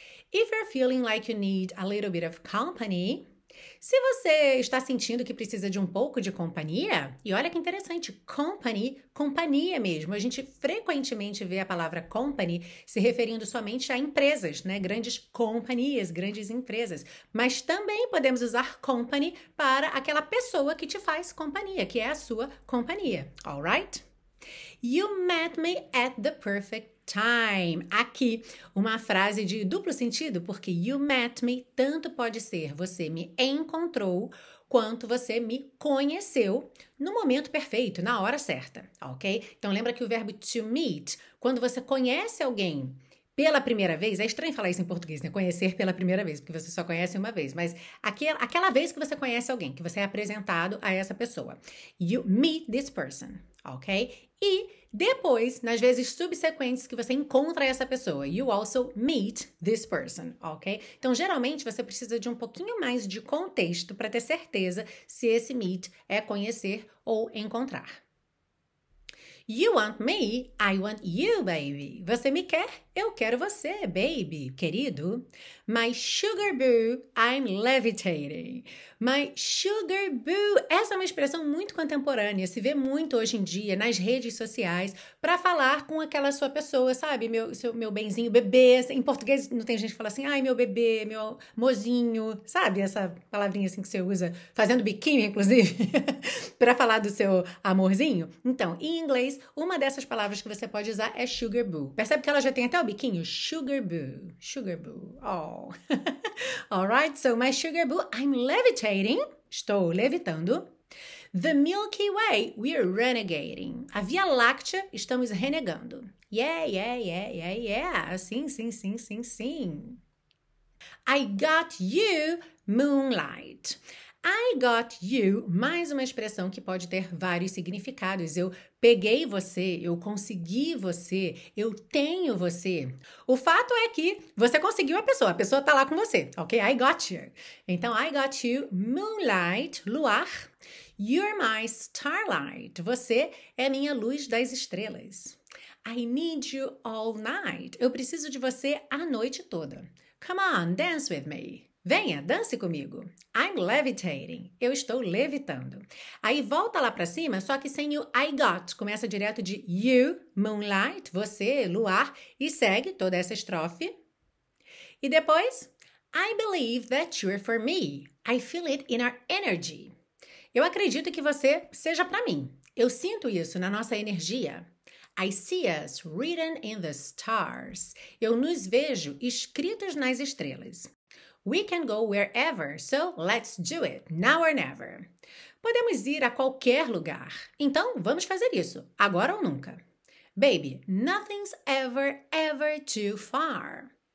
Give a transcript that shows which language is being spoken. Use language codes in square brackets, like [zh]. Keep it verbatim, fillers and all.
[en] If you're feeling like you need a little bit of company, [pt] se você está sentindo que precisa de um pouco de companhia, e olha que interessante, company, companhia mesmo. A gente frequentemente vê a palavra company se referindo somente a empresas, né? Grandes companhias, grandes empresas. Mas também podemos usar company para aquela pessoa que te faz companhia, que é a sua companhia, alright? [en] You met me at the perfect time. [pt] Aqui, uma frase de duplo sentido, porque [en] you met me [pt] tanto pode ser você me encontrou, quanto você me conheceu no momento perfeito, na hora certa, ok? Então, lembra que o verbo to meet, quando você conhece alguém pela primeira vez, é estranho falar isso em português, né? Conhecer pela primeira vez, porque você só conhece uma vez, mas aquel, aquela vez que você conhece alguém, que você é apresentado a essa pessoa. [en] You meet this person, ok? [pt] E depois, nas vezes subsequentes que você encontra essa pessoa, [en] you also meet this person, ok? [pt] Então, geralmente, você precisa de um pouquinho mais de contexto para ter certeza se esse meet é conhecer ou encontrar. [en] You want me, I want you, baby. [pt] Você me quer, eu quero você, baby, querido. [en] My sugar boo, I'm levitating. My sugar boo. [pt] Essa é uma expressão muito contemporânea, se vê muito hoje em dia nas redes sociais para falar com aquela sua pessoa, sabe? Meu, seu, meu benzinho, bebê. Em português não tem gente que fala assim, ai, meu bebê, meu mozinho, sabe? Essa palavrinha assim que você usa, fazendo biquinho, inclusive, para falar do seu amorzinho. Então, em inglês, uma dessas palavras que você pode usar é sugar boo. Percebe que ela já tem até o biquinho? [en] Sugar boo. Sugar boo. Oh. Alright, so my sugar boo, I'm levitating. [pt] Estou levitando. [en] The Milky Way, we're renegading. [pt] A Via Láctea, estamos renegando. Yeah, yeah, yeah, yeah, yeah. Sim, sim, sim, sim, sim. [en] I got you, moonlight. I got you, [pt] mais uma expressão que pode ter vários significados. Eu peguei você, eu consegui você, eu tenho você. O fato é que você conseguiu a pessoa, a pessoa tá lá com você, ok? [en] I got you. Então, I got you, moonlight, luar. You're my starlight. [pt] Você é minha luz das estrelas. [en] I need you all night. [pt] Eu preciso de você a noite toda. [en] Come on, dance with me. [pt] Venha, dance comigo. [en] I'm levitating. [pt] Eu estou levitando. Aí volta lá pra cima, só que sem o I got. Começa direto de [en] you, moonlight, [pt] você, luar, e segue toda essa estrofe. E depois, [en] I believe that you're for me. I feel it in our energy. [pt] Eu acredito que você seja pra mim. Eu sinto isso na nossa energia. [en] I see us written in the stars. [pt] Eu nos vejo escritos nas estrelas. [en] We can go wherever, so let's do it, now or never. [pt] Podemos ir a qualquer lugar, então vamos fazer isso, agora ou nunca. [en] Baby, nothing's ever, ever too far.